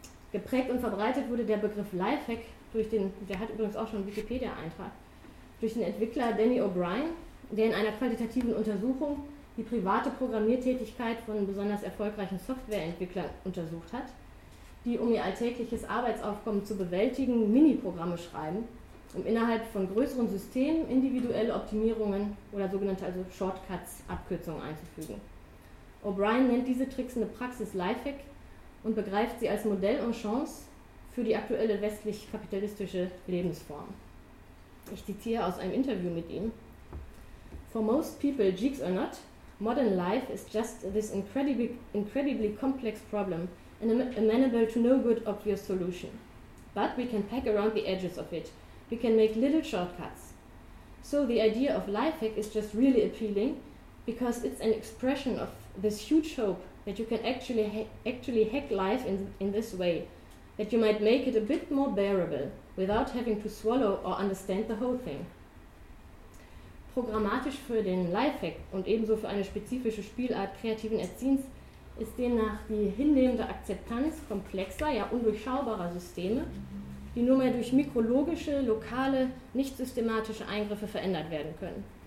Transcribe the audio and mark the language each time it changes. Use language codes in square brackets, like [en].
[de] Geprägt und verbreitet wurde der Begriff Lifehack durch den, der hat übrigens auch schon einen Wikipedia-Eintrag, durch den Entwickler Danny O'Brien, der in einer qualitativen Untersuchung die private Programmiertätigkeit von besonders erfolgreichen Softwareentwicklern untersucht hat, die, um ihr alltägliches Arbeitsaufkommen zu bewältigen, Mini-Programme schreiben, um innerhalb von größeren Systemen individuelle Optimierungen oder sogenannte also Shortcuts, Abkürzungen einzufügen. O'Brien nennt diese tricksende Praxis Lifehack und begreift sie als Modell und Chance für die aktuelle westlich-kapitalistische Lebensform. Ich zitiere aus einem Interview mit ihm. [en] For most people, geeks or not, modern life is just this incredibly complex problem and amenable to no good obvious solution. But we can pack around the edges of it. We can make little shortcuts. So the idea of lifehack is just really appealing because it's an expression of this huge hope that you can actually hack life in this way, that you might make it a bit more bearable without having to swallow or understand the whole thing. [de] Programmatisch für den Lifehack und ebenso für eine spezifische Spielart kreativen Erziehens ist demnach die hinnehmende Akzeptanz komplexer, ja undurchschaubarer Systeme, die nur mehr durch mikrologische, lokale, nicht systematische Eingriffe verändert werden können.